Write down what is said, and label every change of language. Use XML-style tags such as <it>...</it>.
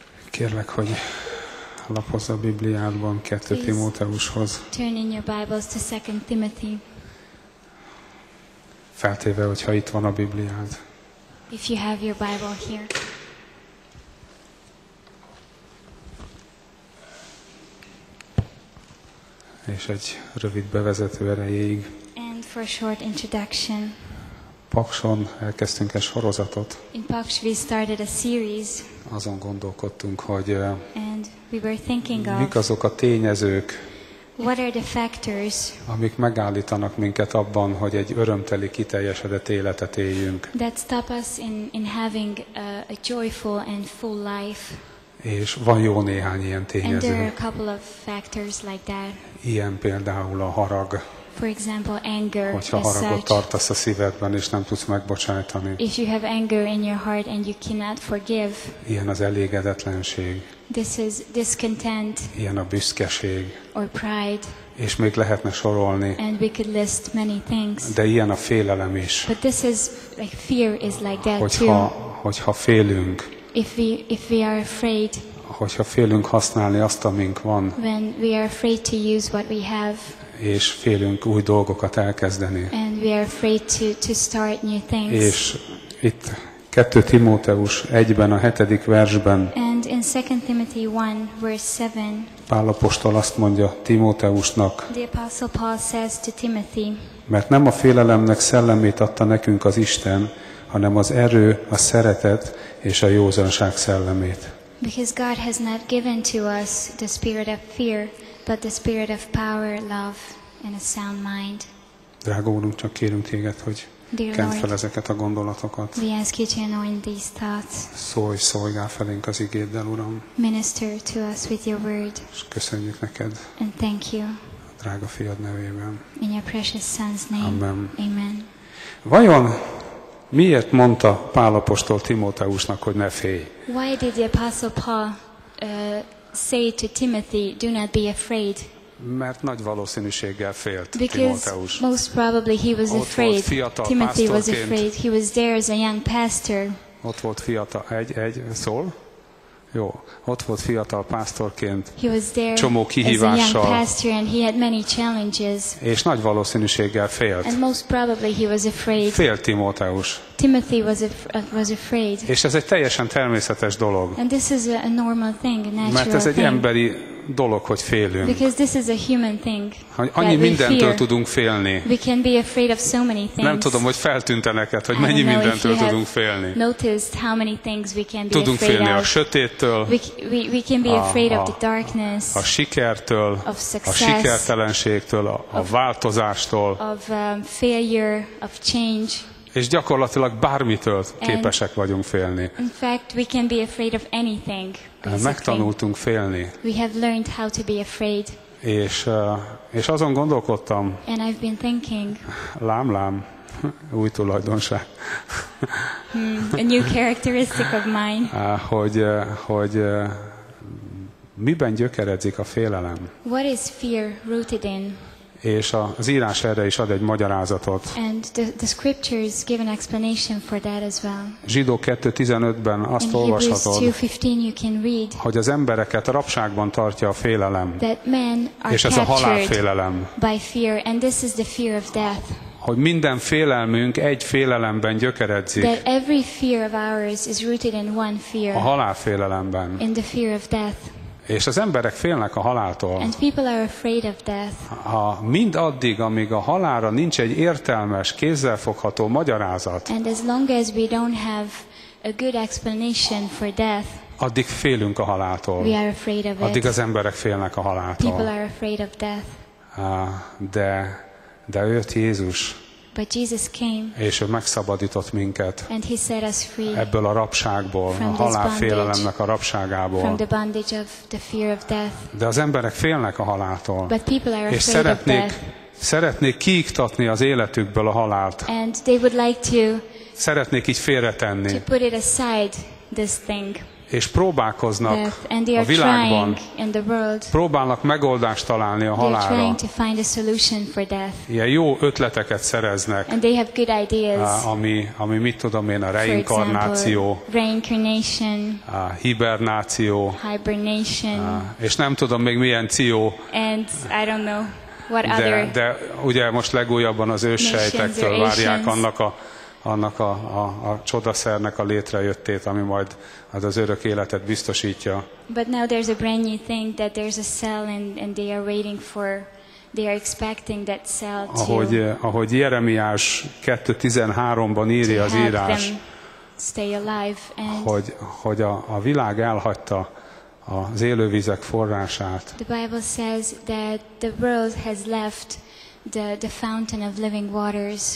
<hu>Kérlek, hogy lapozz a Bibliádban 2 Timóteushoz.</hu> <en>Please turn in your Bibles to 2 Timothy.</en> <hu>Feltéve, hogyha itt van a Bibliád.</hu> <en>If you have your Bible here.</en> <hu>És egy rövid bevezető erejéig.</hu> <en>And for a short introduction.</en> <hu>Pakson elkezdtünk egy sorozatot.</hu> <en>In Paks we started a series.</en> <hu>Azon gondolkodtunk, hogy</hu> <en>and we were thinking of</en> <hu>mik azok a tényezők,</hu> <en>what are the factors,</en> <hu>amik megállítanak minket abban, hogy egy örömteli, kiteljesedett életet éljünk.</hu> <en>That stop us in having a joyful and full life.</en> <hu>És van jó néhány ilyen tényező.</hu> <en>And there are a couple of factors like that.</en> <hu>Ilyen például a harag.</hu> <en>For example, anger.</en> <hu>Hogyha haragot tartasz a szívedben és nem tudsz megbocsátani.</hu> <en>If you have anger in your heart and you cannot forgive.</en> <hu>Ilyen az elégedetlenség.</hu> <en>This is discontent.</en> <hu>Ilyen a büszkeség.</hu> <en>Or pride.</en> <hu>És még lehetne sorolni.</hu> <en>And we could list many things.</en> <hu>De ilyen a félelem is.</hu> <en>But this is like fear is like that too.</en> <hu>Hogyha félünk.</hu> <en>If we are afraid.</en> <hu>Hogyha félünk használni azt, amink van.</hu> <en>When we are afraid to use what we have.</en> <hu>És félünk új dolgokat elkezdeni.</hu> <en>And we are afraid to start new things.</en> <hu>És itt 2 Timóteus 1-ben a 7. versben.</hu> <en>And in 2 Timothy 1 verse 7.</en> <hu>Pál apostol azt mondja Timóteusnak.</hu> <en>The apostle Paul says to Timothy.</en> <hu>Mert nem a félelemnek szellemét adta nekünk az Isten, hanem az erő, a szeretet és a józanság szellemét.</hu> <en>Because God has not given to us the spirit of fear, but the spirit of power, love and a sound mind.</en> <hu>Drága Úrunk, csak kérünk téged, hogy kent fel ezeket a gondolatokat.</hu> <en>We ask you to anoint these thoughts.</en> <hu>Szólj, szolgál felénk az igéddel, Uram.</hu> <en>Minister to us with your word.</en> <hu>És köszönjük neked.</hu> <en>And thank you.</en> <hu>Drága fiad nevében.</hu> <en>In your precious son's name.</en> <hu>Amen.</hu> <en>Amen.</en> <hu>Vajon miért mondta Pál apostol Timóteusnak, hogy ne félj?</hu> <en>Why did the apostle Paul say to Timothy, do not be afraid?</en> <hu>Mert nagy valószínűséggel félt</hu> <en>Because</en> <hu>Timóteus.</hu> <en>Most probably he was afraid. Timothy was afraid. He was there as a young pastor.</en> <hu>Ott volt fiatal, egy szól. Jó, ott volt fiatal pásztorként.</hu> <en>He was there</en> <hu>csomó kihívással.</hu> <en>As a young pastor and he had many challenges.</en> <hu>És nagy valószínűséggel félt.</hu> <en>And most probably he was afraid.</en> <hu>Félt Timóteus.</hu> <en>Timothy was afraid.</en> <hu>És ez egy teljesen természetes dolog.</hu> <en>And this is a normal thing, a natural thing.</en> <hu>Mert ez egy emberi dolog, hogy félünk.</hu> <en>Because this is a human thing.</en> <hu>Annyi mindentől tudunk félni.</hu> <en>We can be afraid of so many things.</en> <hu>Nem tudom, hogy feltűnt-e neked, hogy mennyi mindentől tudunk félni.</hu> <en>Noticed how many things we can be afraid.</en> <hu>Tudunk félni a sötéttől.</hu> <en>We can be afraid of the darkness.</en> <hu>A sikertől.</hu> <en>Of success.</en> <hu>A sikertelenségtől, a változástól.</hu> <en>Of failure, of change.</en> <hu>És gyakorlatilag bármitől képesek vagyunk félni.</hu> <en>In fact, we can be afraid of anything.</en> <hu>Megtanultunk félni.</hu> <en>We have learned how to be afraid.</en> <hu>És azon gondolkodtam.</hu> <en>And I've been thinking.</en> <hu>Lám, új tulajdonság.</hu> <en>A new characteristic of mine.</en> <hu>Hogy miben gyökeredzik a félelem?</hu> <en>What is fear rooted in?</en> <hu>És az írás erre is ad egy magyarázatot.</hu> <en>And the scriptures give an explanation for that as well.</en> <hu>Zsidó 2:15-ben azt olvashatod, hogy az embereket rabságban tartja a félelem.</hu> <en>That men are</en> <hu>és ez a halálfélelem.</hu> <en>By fear, and this is the fear of death.</en> <hu>Hogy minden félelmünk egy félelemben gyökeredzik.</hu> <en>That every fear of ours is rooted in one fear.</en> <hu>A halálfélelemben.</hu> <en>In the fear of death.</en> <hu>És az emberek félnek a haláltól.</hu> <en>And people are afraid of death.</en> <hu>A mind addig, amíg a halálra nincs egy értelmes, kézzel fogható magyarázat.</hu> <en>And as long as we don't have a good explanation for death.</en> <hu>Addig félünk a haláltól.</hu> <en>We are afraid of it.</en> <hu>Addig az emberek félnek a haláltól.</hu> <en>People are afraid of death.</en> <hu>De jött Jézus.</hu> <en>But Jesus came.</en> <hu>És ő megszabadított minket.</hu> <en>And he set us free.</en> <hu>Ebből a rabságból,</hu> <en>from</en> <hu>a halálfélelemnek a rabságából.</hu> <en>From the bondage of the fear of death.</en> <hu>De az emberek félnek a haláltól.</hu> <en>But people are afraid of death.</en> <hu>És szeretnék kiiktatni az életükből a halált.</hu> <en>And they would like to.</en> <hu>Szeretnék így félretenni.</hu> <en>To put it aside, this thing.</en> <hu>És próbálkoznak</hu> <en>and they are</en> <hu>a világban,</hu> <en>in the world,</en> <hu>próbálnak megoldást találni a halálra.</hu> <en>They are trying to find a solution for death.</en> <hu>Ilyen jó ötleteket szereznek,</hu> <en>and they have good ideas,</en> <hu>ami mit tudom én, a reinkarnáció,</hu> <en>reincarnation,</en> <hu>a hibernáció,</hu> <en>hibernation,</en> <hu>és nem tudom még milyen ció.</hu> <en>And I don't know what other</en> <hu>de ugye most legújabban az őssejtektől várják annak a csodaszernek a létrejöttét, ami majd az örök életet biztosítja.</hu> <en>But now there's a brand new thing that there's a cell and they are waiting for, they are expecting that cell to.</en> <hu>Ahogy Jeremiás 2:13-ban írja az írás,</hu> <en>stay alive and</en> <hu>hogy a világ elhagyta az élővizek forrását.</hu> <en>The Bible says that the world has left the fountain of living waters.</en>